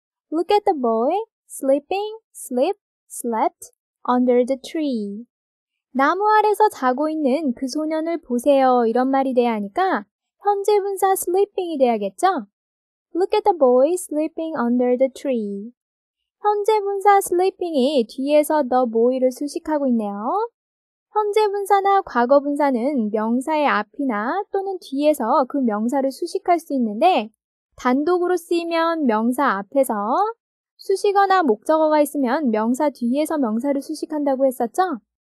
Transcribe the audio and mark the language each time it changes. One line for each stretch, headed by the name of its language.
English: Look at the boy slept under the tree.
Korean: 나무 아래서 자고 있는 그 소년을 보세요. 이런 말이 돼야 하니까 현재 분사 sleeping이 돼야겠죠?
English: Look at the boy sleeping under the tree.
Korean: 현재 분사 sleeping이 뒤에서 the boy를 수식하고 있네요. 현재 분사나 과거 분사는 명사의 앞이나 또는 뒤에서 그 명사를 수식할 수 있는데 단독으로 쓰이면 명사 앞에서 수식어나 목적어가 있으면 명사 뒤에서 명사를 수식한다고 했었죠?